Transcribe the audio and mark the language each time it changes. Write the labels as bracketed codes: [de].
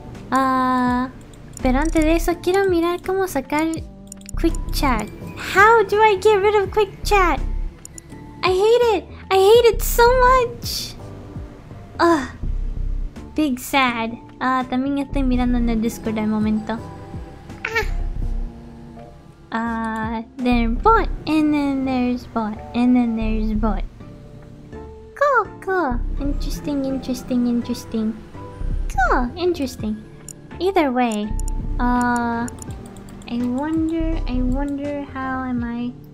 [es] Pero antes de eso quiero mirar cómo sacar quick chat. [en] How do I get rid of quick chat? I hate it. I hate it so much. Ugh. Big sad. [es] También estoy mirando en el Discord al momento. [en] There's bot, and then there's bot, and then there's bot. Cool, cool. Interesting, interesting, interesting. Cool, interesting. Either way, I wonder how am I...